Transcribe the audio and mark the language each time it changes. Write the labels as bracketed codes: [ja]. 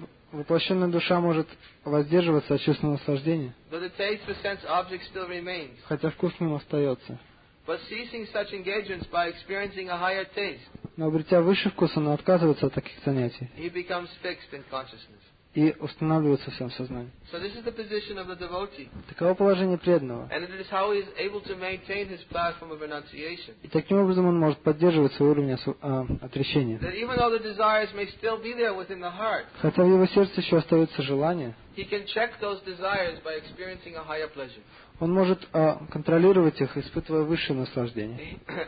[ru] Воплощенная душа может воздерживаться от чувственного наслаждения. [en] But the taste for sense objects still remains. [ru] Хотя вкус в нем остается. [en] But ceasing such engagements by experiencing a higher taste. [ru] Но обретя высший вкус, он отказывается от таких занятий. [en] He becomes fixed in consciousness. [ru] И устанавливается в своем сознании. [en] So this is the position of the devotee. [ru] Таково положение преданного. [en] And it is how he is able to maintain his platform of renunciation. [ru] И таким образом он может поддерживать свой уровень отречения. [en] That even though the desires may still be there within the heart. [ru] Хотя в его сердце еще остается желание. [en] He can check those desires by experiencing a higher pleasure. [ru] Он может контролировать их, испытывая высшее наслаждение.